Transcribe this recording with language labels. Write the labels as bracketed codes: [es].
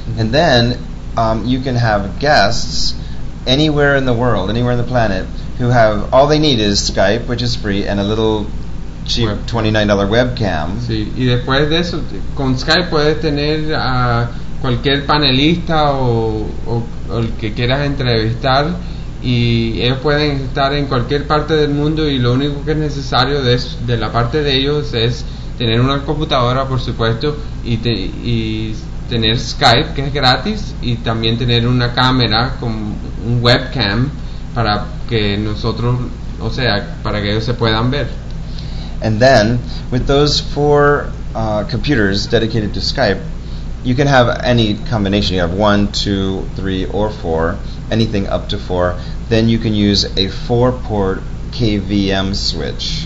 [en] And then you can have guests anywhere in the world, anywhere in the planet, who have all they need is Skype, which is free, and a little cheap $29 webcam. [es] Sí. Y después de eso, con Skype puedes tener a cualquier panelista o el que quieras entrevistar. Y ellos pueden estar en cualquier parte del mundo y lo único que es necesario de la parte de ellos es tener una computadora, por supuesto, y tener Skype, que es gratis, y también tener una cámara con un webcam para que nosotros, o sea, para que ellos se puedan ver. [en] And then, with those 4 computers dedicated to Skype, you can have any combination. You have 1, 2, 3, or 4, anything up to 4. Then you can use a 4-port KVM switch.